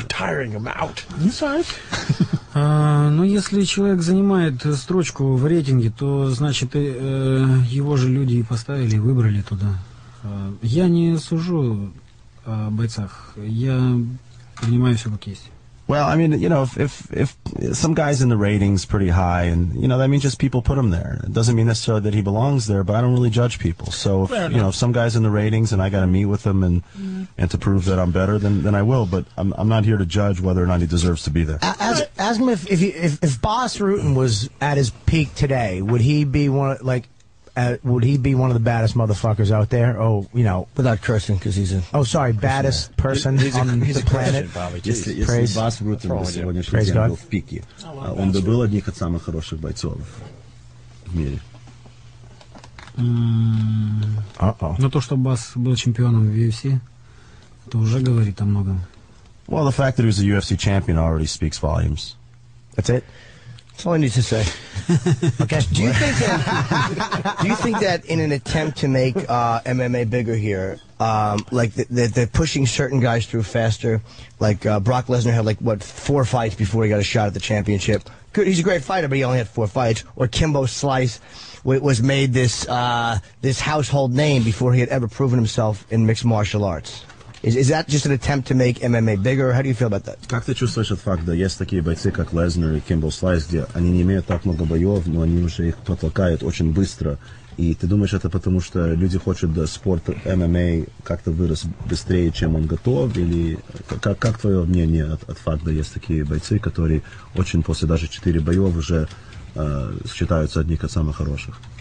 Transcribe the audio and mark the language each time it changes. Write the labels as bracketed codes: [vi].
[en] You're tiring him out. You sorry? [ru] Ну, если человек занимает строчку в рейтинге, то значит его же люди и поставили, и выбрали туда. Я не сужу о бойцах, я принимаю все как есть. [en] Well, I mean, you know, if some guy's in the ratings pretty high, and you know, that means just people put him there. It doesn't mean necessarily that he belongs there, but I don't really judge people. So, if some guy's in the ratings and I got to meet with him and to prove that I'm better, then I will. But I'm not here to judge whether or not he deserves to be there. Ask him if Boss Rutan was at his peak today, would he be one of the baddest motherfuckers out there? Oh, you know, without cursing, because he's a baddest person on the planet. Praise Boss Rutan. Praise God. [ru] Он бы был одним из самых хороших бойцов в мире. Но то, что Бас был чемпионом в UFC, это уже говорит о многом. [en] Well, the fact that he was a UFC champion already speaks volumes. That's it? That's all I need to say. Okay. Do you think that in an attempt to make MMA bigger here, like they're pushing certain guys through faster, like Brock Lesnar had like, what, 4 fights before he got a shot at the championship? Good, he's a great fighter, but he only had 4 fights. Or Kimbo Slice was made this this household name before he had ever proven himself in mixed martial arts. Is that just an attempt to make MMA bigger? How do you feel about that? [ru] Как ты чувствуешь этот факт, да, есть такие бойцы, как Лезнер и Кимбл Слайс, где они не имеют так много боев, но они уже их протолкают очень быстро. И ты думаешь, это потому что люди хотят, да, спорт MMA как-то вырос быстрее, чем он готов? Или как твое мнение от факта, есть такие бойцы, которые очень после даже 4 боев уже считаются одни из самых хороших?